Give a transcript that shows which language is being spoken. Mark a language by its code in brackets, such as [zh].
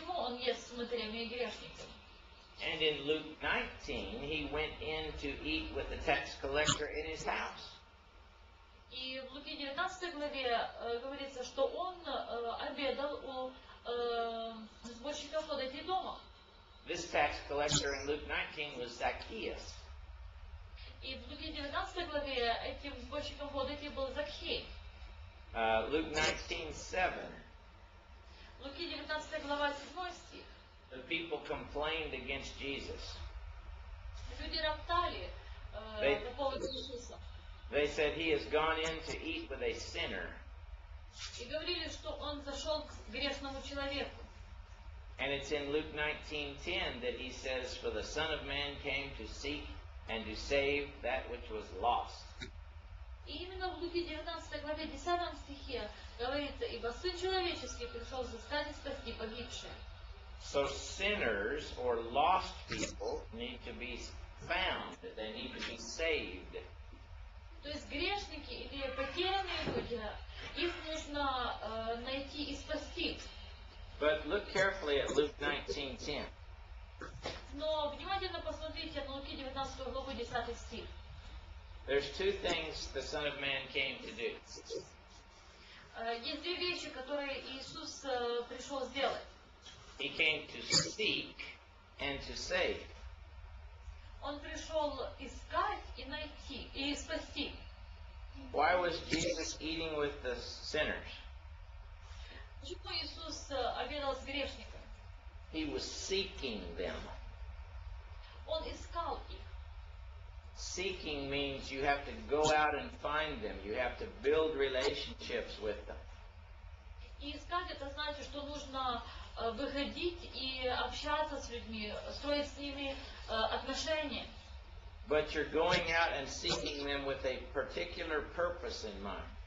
[en] And in Luke 19, he went in to eat with the tax collector in his house. [ru] И в Луки 19 главе говорится, что он обедал у сборщиков подати дома. [en] This tax collector in Luke 19 was Zacchaeus. [ru] И в Луки 19 главе этим сборщиком подати был Закхей. [en] Luke 19:7. [ru] Луки 19 глава 7 стих. [en] The people complained against Jesus. [ru] Люди роптали по поводу Иисуса. [en] They said he has gone in to eat with a sinner. [ru] И говорили, что он зашел к грешному человеку. [en] And it's in Luke 19:10 that he says, for the Son of Man came to seek and to save that which was lost. [ru] И именно в Луки 19 главе 10 стихе говорится, ибо Сын Человеческий пришел взыскать и спасти погибшее. [en] So sinners or lost people need to be found, they need to be saved. [ru] То есть грешники или потерянные люди, их нужно найти и спасти. [en] But look carefully at Luke 19:10. [ru] Но внимательно посмотрите на Луки 19 главу 10 стих. [en] There's two things the Son of Man came to do. [ru] Есть две вещи, которые Иисус пришел сделать. [en] He came to seek and to save. [ru] Он пришел искать и найти, и спасти. [en] Why was Jesus eating with the sinners? [ru] Почему Иисус обедал с грешниками? [en] He was seeking them. [ru] Он искал их. [en] Seeking means you have to go out and find them. You have to build relationships with them. [ru] И искать это значит, что нужно выходить и общаться с людьми, строить с ними отношения. [en] But you're going out and seeking them with a particular purpose in mind.